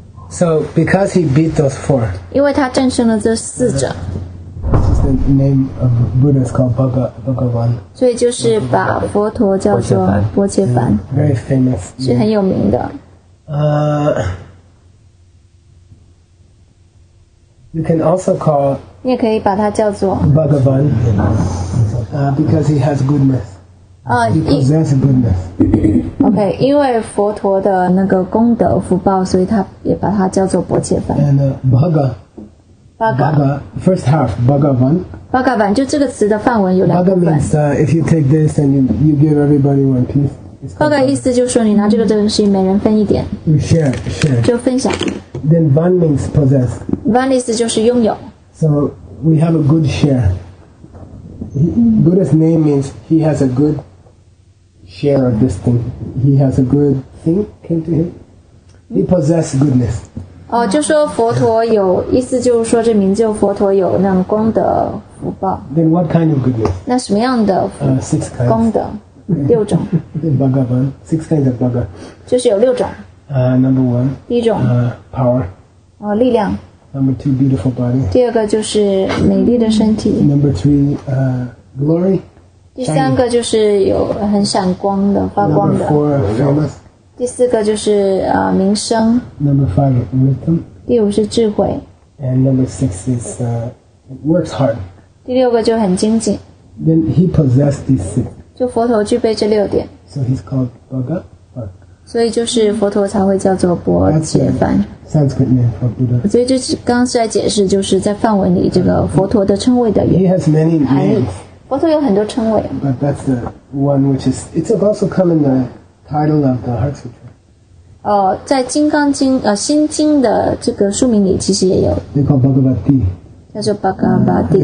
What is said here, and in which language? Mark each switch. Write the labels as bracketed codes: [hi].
[en] So because he beat those four, [zh] 因为他战胜了这四者。 [en] Just the name of Buddha is called Bhagavan. [zh] 所以就是把佛陀叫做波切梵。 [en] Very famous. [zh] 是很有名的。 [en] You can also call. [zh] 你也可以把它叫做 [en] Bhagavan. Because he has goodness. He possesses goodness. [zh] Okay, 因为佛陀的那个功德福报，所以他也把它叫做波切梵。 [en] And Bhaga. Bhaga. First half, Bhagavan. [zh] Bhagavan, 就这个词的梵文有两个部分。 [en] Bhaga means if you take this and you give everybody one piece. [zh] Bhaga 意思就是说你拿这个东西，每人分一点。 [en] You share. [zh] 就分享。 [en] Then Van means possess. [zh] Van 意思就是拥有。 [en] So we have a good share. Buddha's name means he has a good share of this thing. He has a good thing came to him. He possesses goodness. [zh] 就说佛陀有意思，就是说这名就佛陀有那种功德福报。 [en] Then what kind of goodness? [zh] 那什么样的 [en] six kinds. [zh] 功德六种。 [en] Then Bhagavan, six kinds of Bhagavan. [zh] 就是有六种。 [en] Number one. [zh] 第一种。 [en] Power. [zh] 力量。 [en] Number two, beautiful body. [zh] 第二个就是美丽的身体。 [en] Number three, glory. [zh] 第三个就是有很闪光的发光的。 [en] Number four, famous. [zh] 第四个就是名声。 [en] Number five, wisdom. [zh] 第五是智慧。 [en] And number six is works hard. [zh] 第六个就很精进。 [en] Then he possessed these six. [zh] 就佛陀具备这六点。 [en] So he's called Bhaga. [zh] 所以就是佛陀才会叫做波切梵。 [en] Sanskrit name for Buddha. [zh] 所以就是刚才解释，就是在梵文里这个佛陀的称谓的 [en] 含义。He has many names. [zh] 佛陀有很多称谓。 [en] But that's the one which is. It's also come in the title of the Heart Sutra. [zh] 在金刚经心经的这个书名里其实也有。 [en] They call Bhagavati. [zh] 叫做 Bhagavati.